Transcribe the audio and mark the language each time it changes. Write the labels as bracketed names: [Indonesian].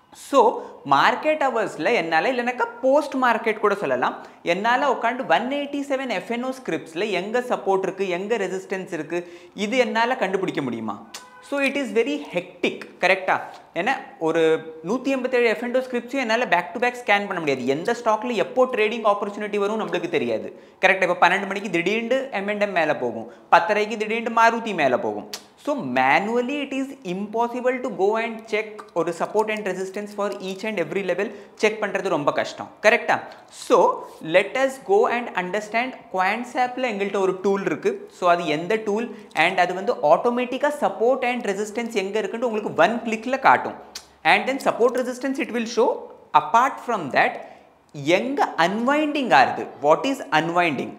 [Tamil] So market அவர்ஸில் என்னால் இல்லைனாக்கா post market கூட சொல்லலாம், என்னால் உட்காந்து 187 எஃப்என்ஓ ஸ்கிரிப்ட்ஸில் எங்கே சப்போர்ட் இருக்குது, எங்கே ரெசிஸ்டன்ஸ் இருக்குது, இது என்னால் கண்டுபிடிக்க முடியுமா? [English] So it is very hectic. [Tamil] கரெக்டாக, ஏன்னா ஒரு 187 எஃப்என்ஓ ஸ்கிரிப்ட்ஸும் என்னால் பேக் டு பேக் ஸ்கேன் பண்ண முடியாது. எந்த ஸ்டாக்ல எப்போ ட்ரேடிங் ஆப்பர்ச்சுனிட்டி வரும் நம்மளுக்கு தெரியாது. கரெக்டாக, இப்போ 12 மணிக்கு திடீர்னு எம்என்எம் மேலே போகும், 10:30க்கு திடீர்னு மாருதி மேலே போகும். [English] So manually it is impossible to go and check or support and resistance for each and every level. [Tamil] Check பண்ணுறது ரொம்ப கஷ்டம். கரெக்டா? [English] so let us go and understand [Tamil] குவாண்ட்ஸாப்பில் எங்கள்கிட்ட ஒரு டூல் இருக்குது. ஸோ அது எந்த டூல் அண்ட் அது வந்து ஆட்டோமேட்டிக்காக சப்போர்ட் அண்ட் ரெசிஸ்டன்ஸ் எங்கே இருக்குன்ட்டு உங்களுக்கு ஒன் கிளிக்கில் காட்டும். [English] and then support resistance it will show apart from that [Tamil] எங்கே அன்வைண்டிங் ஆகுது, [English] What is unwinding.